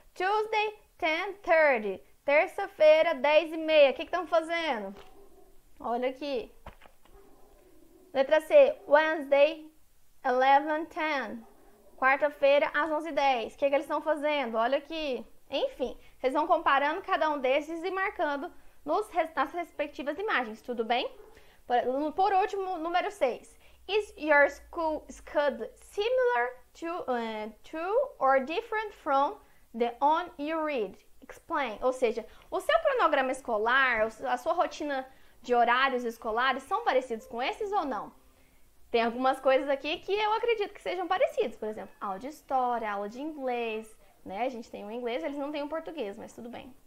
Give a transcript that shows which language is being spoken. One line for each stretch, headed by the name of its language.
English: Tuesday, 10:30.
Portuguese: Terça-feira, 10h30. O que que estão fazendo? Olha aqui. Letra C.
English: Wednesday, 11:10.
Portuguese: Quarta-feira, às 11h10. O que que eles estão fazendo? Olha aqui. Enfim, vocês vão comparando cada um desses e marcando nas respectivas imagens, tudo bem? Por último, número 6.
English: Is your school schedule similar to or different from the one you read? Explain.
Portuguese: Ou seja, o seu cronograma escolar, a sua rotina de horários escolares são parecidos com esses ou não? Tem algumas coisas aqui que eu acredito que sejam parecidos. Por exemplo, aula de história, aula de inglês, né? A gente tem o inglês, eles não têm o português, mas tudo bem.